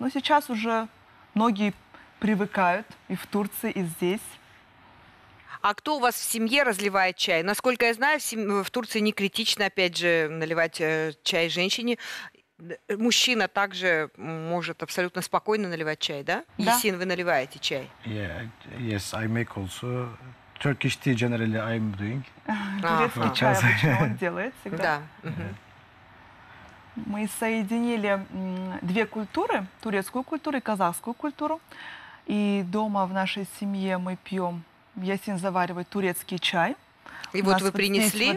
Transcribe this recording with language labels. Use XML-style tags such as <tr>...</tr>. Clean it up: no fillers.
<ru>Но сейчас уже многие привыкают и в Турции, и здесь. А кто у вас в семье разливает чай? Насколько я знаю, в Турции не критично, опять же, наливать чай женщине. Мужчина также может абсолютно спокойно наливать чай, да? Да. Ясин, вы наливаете чай?</ru> <en>Yeah, yes, I make also Turkish tea generally I'm doing.</en> <ru>Турецкий чай обычно он делает всегда. Да. Мы соединили две культуры, турецкую культуру и казахскую культуру. И дома в нашей семье мы пьем... Ясин заваривает турецкий чай. И вот вы принесли?</ru>